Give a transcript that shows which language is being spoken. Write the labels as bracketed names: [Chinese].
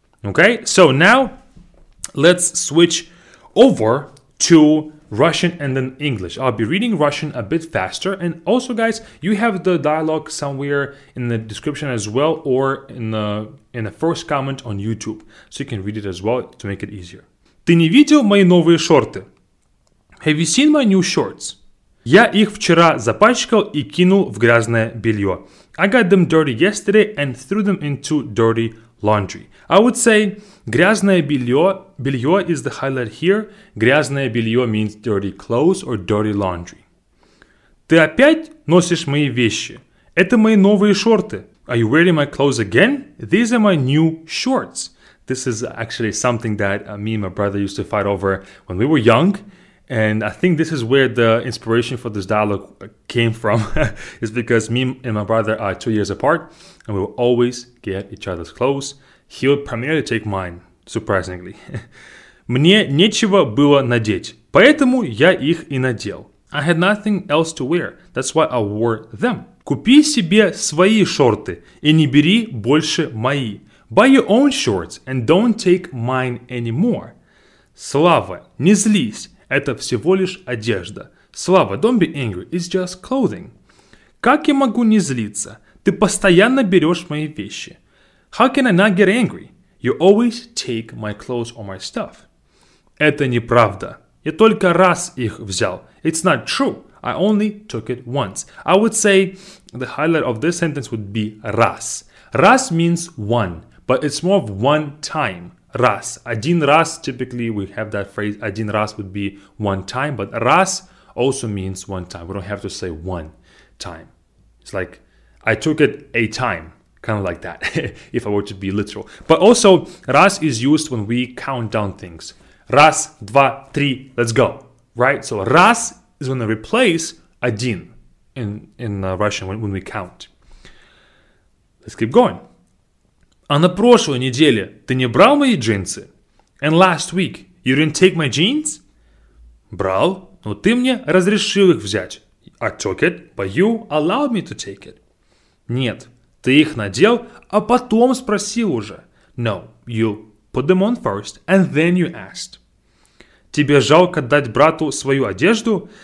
[English] Okay, so now let's switch over to Russian and then English. I'll be reading Russian a bit faster. And also, guys, you have the dialogue somewhere in the description as well or in the first comment on YouTube. So you can read it as well to make it easier. [Russian] Ты не видел мои новые шорты? [English] Have you seen my new shorts? [Russian] Я их вчера запачкал и кинул в грязное белье. [English] I got them dirty yesterday and threw them into dirty laundry. I would say [Russian] грязное белье, белье [English] is the highlight here. Грязное белье means dirty clothes or dirty laundry. [Russian] Ты опять носишь мои вещи? Это мои новые шорты. [English] Are you wearing my clothes again? These are my new shorts. This is actually something that me and my brother used to fight over when we were young. And I think this is where the inspiration for this dialogue came from. It's because me and my brother are 2 years apart. And we will always get each other's clothes. He would primarily take mine, surprisingly. [Russian] Мне нечего было надеть. Поэтому я их и надел. [English] I had nothing else to wear. That's why I wore them. [Russian] Купи себе свои шорты и не бери больше мои. [English] Buy your own shorts and don't take mine anymore. [Russian] Слава, не злись, это всего лишь одежда. [English] Слава, don't be angry, it's just clothing. [Russian] Как я могу не злиться? Ты постоянно берешь мои вещи. [English] How can I not get angry? You always take my clothes or my stuff. [Russian] Это неправда. Я только раз их взял. [English] It's not true. I only took it once. I would say the highlight of this sentence would be раз. Раз means one, but it's more of one time. [Russian] Раз. Один раз, [English] typically we have that phrase, [Russian] один раз [English] would be one time, but раз also means one time. We don't have to say one time. It's like, I took it a time, kind of like that, if I were to be literal. But also, раз is used when we count down things. [Russian] Раз, два, три, [English] let's go. Right? So, раз is when they replace один in Russian when we count. Let's keep going. [Russian] А на прошлой неделе ты не брал мои джинсы? [English] And last week, you didn't take my jeans? [Russian] Брал, но ты мне разрешил их взять. [English] I took it, but you allowed me to take it. [Russian] Нет, ты их надел, а потом спросил уже. [English] No, you put them on first, and then you asked. [Russian] Тебе жалко дать брату свою одежду?